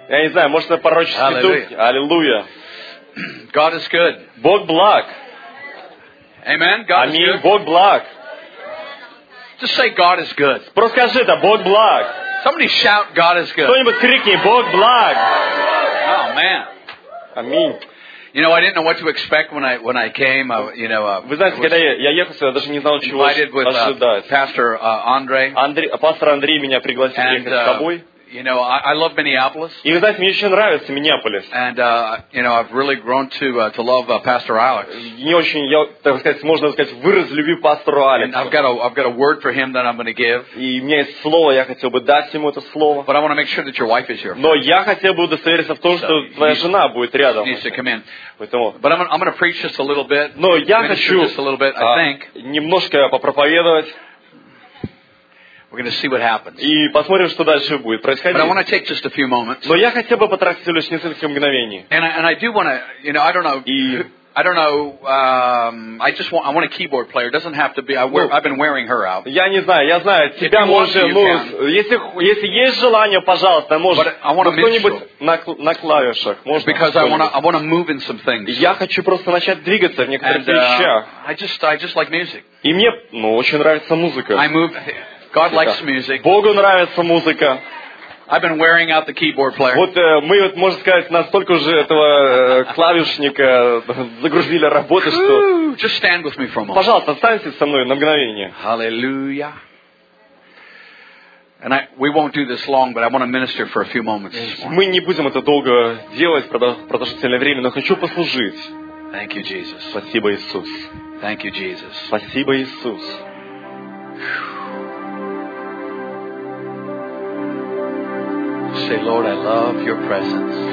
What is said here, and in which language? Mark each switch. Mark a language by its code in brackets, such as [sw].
[ru] Я не знаю, может, это пророческий дух. Аллилуйя. [en] God is good. [ru] Бог благ. [en] Amen. God [ru] Аминь. [en] Is good. [ru] Бог благ. [en] Just say God is good. [ru] Просто скажи это, Бог благ. [en] Somebody shout God is good. [ru] Кто-нибудь крикни, Бог благ. [en] Oh man. [ru] Аминь. [en] You know, I didn't know what to expect when I came. You know, [ru] вы знаете, когда я ехал сюда, даже не знал, чего ожидать. [en] Pastor Andre. [ru] Пастор Андрей меня пригласил ехать с тобой. [en] You know, I love Minneapolis. [ru] И вы знаете, мне очень нравится Миннеаполис. [en] And you know, I've really grown to love Pastor Alex. [ru] Не очень, я так сказать, можно сказать, вырос любви пастору Алексу. [en] And I've got a word for him that I'm going to give. [ru] И у меня есть слово, я хотел бы дать ему это слово. [en] But I want to make sure that your wife is here. [ru] Но я хотел бы удостовериться в том, что твоя жена будет рядом. [en] She needs to come in. [ru] Поэтому. [en] But I'm going to preach just a little bit. [ru] Но я хочу [en] just a little bit, I think. [ru] Немножко попроповедовать. [en] We're going to see what happens. [ru] И посмотрим, что дальше будет происходить. [en] But I want to take just a few moments. [ru] Но я хотел бы потратить лишь несколько мгновений. [en] And I do want to, you know, I don't know. I don't know. I want a keyboard player. It doesn't have to be. I've been wearing her out. [ru] Я не знаю. Я знаю. Тебя можно. Ну, если есть желание, пожалуйста, может. Кто-нибудь на клавишах. Может. [en] Because I want to move in some things. [ru] Я хочу просто начать двигаться в некоторых вещах. [en] I just like music. [ru] И мне, ну, очень нравится музыка. [en] I move. God likes music. [ru] Богу нравится музыка. [en] I've been wearing out the keyboard player. [ru] Вот мы вот, можно сказать, настолько уже этого клавишника загрузили работы, что. [en] Just stand with me for a moment. [ru] Пожалуйста, останьтесь со мной на мгновение. [en] Hallelujah. And we won't do this long, but I want to minister for a few moments. [ru] Мы не будем это долго делать, продолжительное время, но хочу послужить. [en] Thank you, Jesus. [ru] Спасибо, Иисус. [en] Thank you, Jesus. [ru] Спасибо, Иисус. [en] Say, Lord, I love your presence.